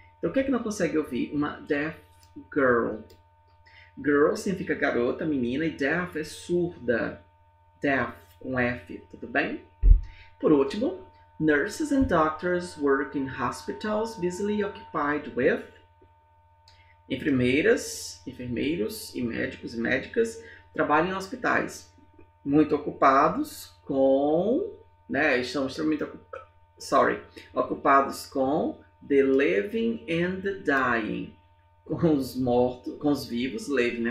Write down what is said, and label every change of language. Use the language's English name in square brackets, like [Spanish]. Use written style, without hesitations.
[Portuguese] Então, o que é que não consegue ouvir? Uma [English] deaf girl. [Portuguese] Girl significa garota, menina, e deaf é surda. Deaf, com F, tudo bem? [English] Por último, nurses and doctors work in hospitals busily occupied with. [Portuguese] Enfermeiras, enfermeiros e médicos e médicas trabalham em hospitais muito ocupados com... Né? Estão extremamente ocupados com [English] the living and the dying, [Portuguese] com os mortos, com os vivos, living, né?